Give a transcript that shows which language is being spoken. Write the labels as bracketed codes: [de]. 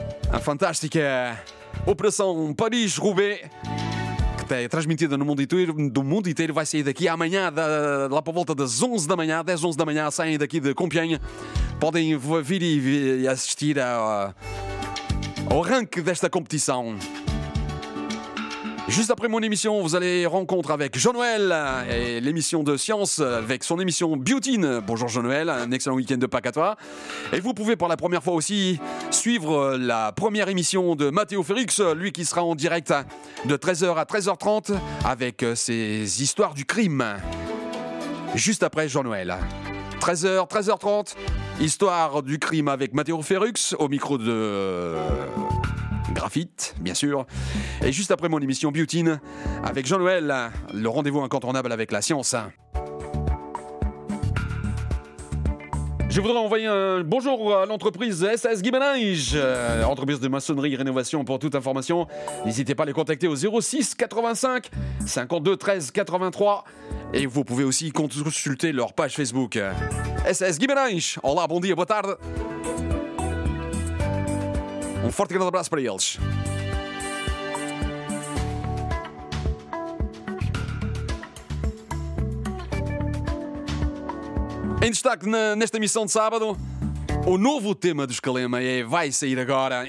[pt] Uma fantástica operação Paris-Roubaix, que é transmitida no mundo inteiro, vai sair daqui amanhã, lá por volta das 11 da manhã, 10, 11 da manhã, saem daqui de Compiègne. Podem vir e assistir ao arranque desta competição. [fr] Juste après mon émission, vous allez rencontrer avec Jean-Noël et l'émission de science avec son émission Beauty. Bonjour Jean-Noël, un excellent week-end de Pâques à toi. Et vous pouvez pour la première fois aussi suivre la première émission de Mathéo Férix, lui qui sera en direct de 13h à 13h30 avec ses histoires du crime. Juste après Jean-Noël. 13h, 13h30, histoire du crime avec Mathéo Férix au micro de... Graphite, bien sûr. Et juste après mon émission Butine, avec Jean-Noël, le rendez-vous incontournable avec la science. Je voudrais envoyer un bonjour à l'entreprise SAS Guimarães, entreprise de maçonnerie et rénovation. Pour toute information, n'hésitez pas à les contacter au 06 85 52 13 83. Et vous pouvez aussi consulter leur page Facebook. [pt] SAS Guimarães, [es] hola, [ca] bon dia, [pt] boa tarde. Um forte e grande abraço para eles. Em destaque nesta emissão de sábado, o novo tema do Escalema vai sair agora.